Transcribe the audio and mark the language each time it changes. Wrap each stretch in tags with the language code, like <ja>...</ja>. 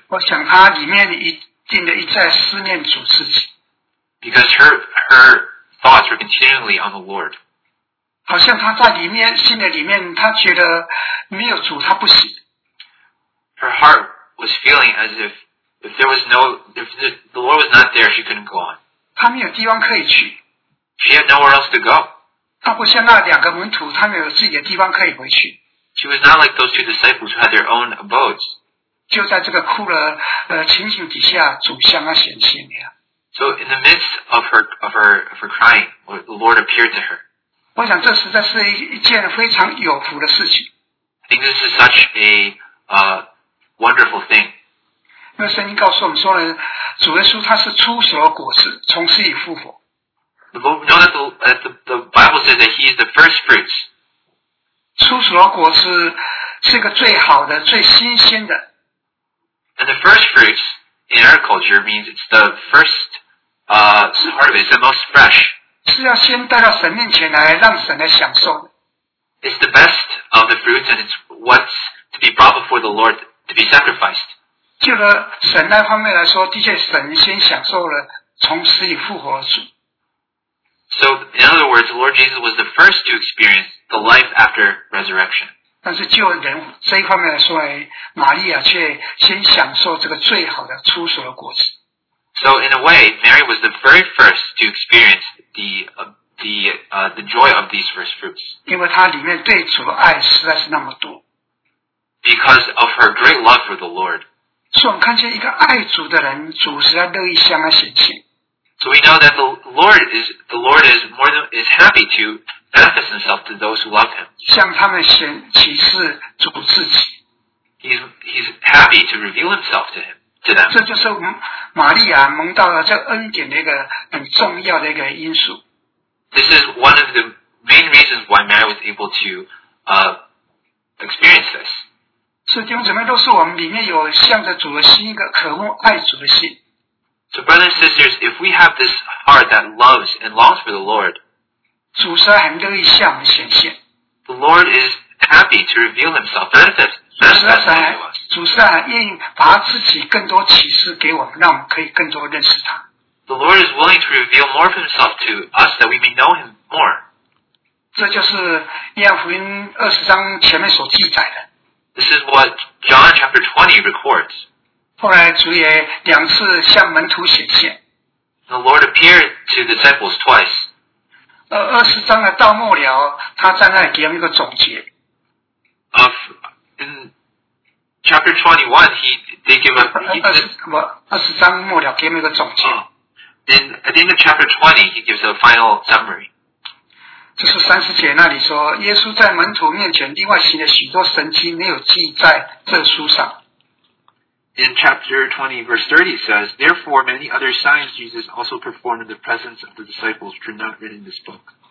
<zh>我想他里面一定的一再思念主自己。</zh> <en>Because her thoughts were continually on the Lord.</en> <zh>好像他在里面心的里面，他觉得没有主他不行。</zh> <en>Her heart was feeling as if there was no if the Lord was not there, she couldn't go on.</en> <zh>他没有地方可以去。</zh> <en>She had nowhere else to go.</en> <zh>他不像那两个门徒，他没有自己的地方可以回去。</zh> <en>She was not like those two disciples who had their own abodes.</en> <zh>就在这个哭了情形底下，主向她显现了。</zh> <en>So in the midst of her crying, the Lord appeared to her.</en> <zh>我想这实在是一件非常有福的事情。</zh> <en>I think this is such a wonderful thing.</en> <zh>因为圣经告诉我们说呢，主耶稣他是出手的果实，从死里复活。</zh> <en>The Lord, know that the Bible says that He is the first fruits.</en> <zh>初熟的果实是一个最好的最新鲜的。</zh> <en>And the first fruits in our culture means it's the first harvest, the most fresh.</en> <zh>是要先带到神面前来让神来享受。</zh> <en>It's the best of the fruits, and it's what's to be brought before the Lord to be sacrificed.</en> <zh>就了神那方面来说，的确神先享受了从死里复活的主。</zh> <en>So, in other words, the Lord Jesus was the first to experience the life after resurrection.</en> <zh>但是就人这一方面来说，玛利亚却先享受这个最好的初熟的果子。</zh> <en>So, in a way, Mary was the very first to experience the joy of these first fruits.</en> <zh>因为她里面对主的爱实在是那么多。</zh> <en>Because of her great love for the Lord.</en> <zh>所以我们看见一个爱主的人，主实在乐意向他显现。</zh> <en>So we know that the Lord is more than is happy to manifest himself to those who love him.</en> <zh>向他们显启示主自己。</zh> <en>He's happy to reveal himself to him to them.</en> <zh>这就是玛利亚蒙到了这恩典的一个很重要的一个因素。</zh> <en>This is one of the main reasons why Mary was able to experience this.</en> <zh>所以弟兄姊妹都是我们里面有向着主的心一个渴慕爱主的心。</zh> <en>So brothers and sisters, if we have this heart that loves and longs for the Lord,</en> <zh>主是很乐意向我们显现。</zh> <en>The Lord is happy to reveal himself, manifest to us.</en> <zh>主是很愿意把自己更多启示给我们，让我们可以更多认识他。</zh> <en>The Lord is willing to reveal more of himself to us that we may know him more.</en> <zh>这就是约翰福音二十章前面所记载的。</zh> <en>This is what John chapter 20 records.</en> <zh>后来主也两次向门徒显现。</zh> <en>The Lord appeared to the disciples twice.</en> <zh>二十章的到末了，他在那里给他们一个总结。</zh> <en>In chapter 21, they give a...</en> <zh>二十章末了给他们一个总结。</zh> <en>Then at the end of chapter 20, he gives a final summary.</en> <zh>就是三十节那里说，耶稣在门徒面前另外行了许多神迹，没有记在这书上。</zh> <en>In chapter 20, verse 30 says, Therefore, many other signs Jesus also performed in the presence of the disciples, which are not written in this book.</en>